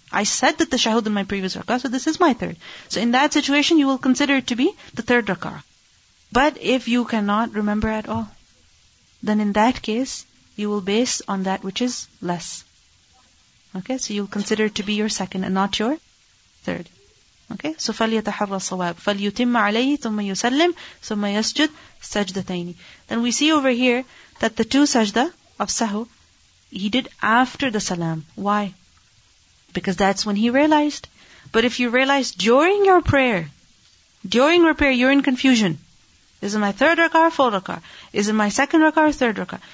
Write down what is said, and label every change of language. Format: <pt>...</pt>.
<en>I said the tashahud in my previous rak'ah, so this is my third. So in that situation, you will consider it to be the third rak'ah. But if you cannot remember at all, then in that case, you will base on that which is less. Okay, so you'll consider it to be your second and not your third. Okay, so</en> <ar>فليتحرى الصواب فليتم عليه ثم يسلم ثم يسجد سجدتين.</ar> <en>Then we see over here that the two sajda of sahu, he did after the salam. Why? Because that's when he realized. But if you realize during your prayer, during repair, you're in confusion. Is it my third rakah or fourth rakah? Is it my second rakah or third rakah?</en>